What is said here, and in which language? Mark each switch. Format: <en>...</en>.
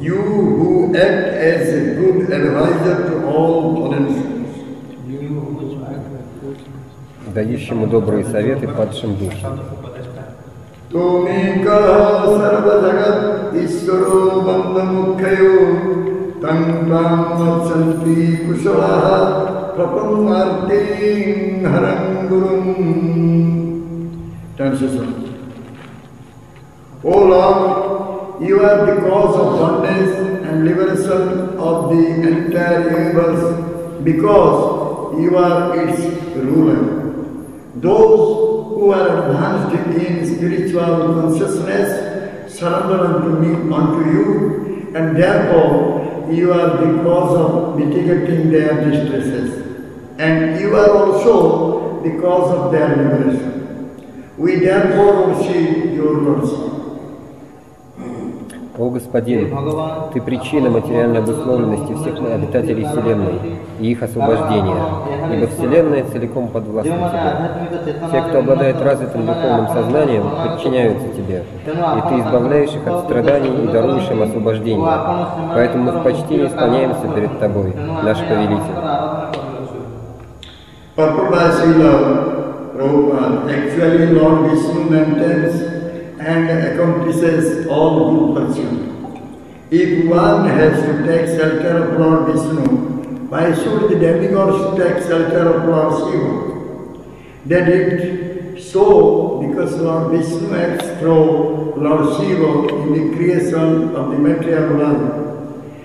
<en>you who act as a good advisor to all fallen souls.</en> <ru>Дающему добрые советы падшим душам.</ru> <sa>Tumika sarva jagat ishvaro bandhamukhayo tantam vachanti kushalah prapannarti haram gurum.</sa> <en>Translation. O Lord, you are the cause of oneness and liberation of the entire universe because you are its ruler. Those who are advanced in spiritual consciousness surrender unto you, and therefore you are the cause of mitigating their distresses, and you are also the cause of their liberation. We therefore receive your mercy.</en> <ru>О Господин, Ты причина материальной обусловленности всех обитателей Вселенной и их освобождения. Ибо Вселенная целиком подвластна Тебе. Те, кто обладает развитым духовным сознанием, подчиняются Тебе. И Ты избавляешь их от страданий и даруешь им освобождение. Поэтому мы в почтении склоняемся перед Тобой, наш Повелитель.</ru> <en>And accomplishes all good pursuit. If one has to take shelter of Lord Vishnu, why should the demigods take shelter of Lord Shiva? That is so because Lord Vishnu acts through Lord Shiva in the creation of the material world.</en>